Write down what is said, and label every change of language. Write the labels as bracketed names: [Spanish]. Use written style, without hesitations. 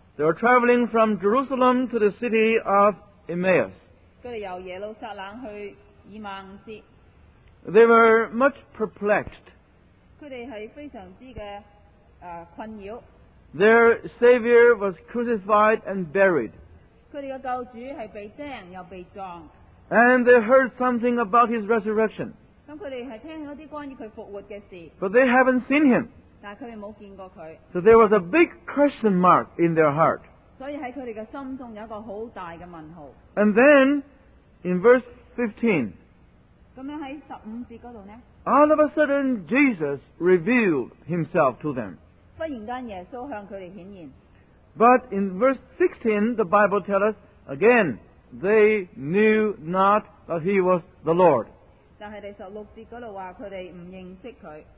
[English] they were traveling from Jerusalem to the city of Emmaus. [Chinese] 他們由耶路撒冷去以馬忤節, [English] they were much perplexed. [Chinese] 他們是非常之的困擾, [English] their Savior was crucified and buried. [Chinese] 他們的救主是被釘又被撞, [English] and they heard something about His resurrection. [Chinese] 他們是聽了一些關於他復活的事, [English] but they haven't seen Him. [Chinese] 但他們沒有見過他, [English] so there was a big question mark in their heart. [Chinese] 所以在他們的心中有一個很大的問號, [English] and then, in verse 15, [Chinese] 這樣在15節那裡呢, [English] all of a sudden, Jesus revealed Himself to them. [Chinese] 忽然間耶穌向他們顯現, [English] but in verse 16, the Bible tells us, again, they knew not that He was the Lord. [Chinese] 但是第16節那裡說他們不認識他,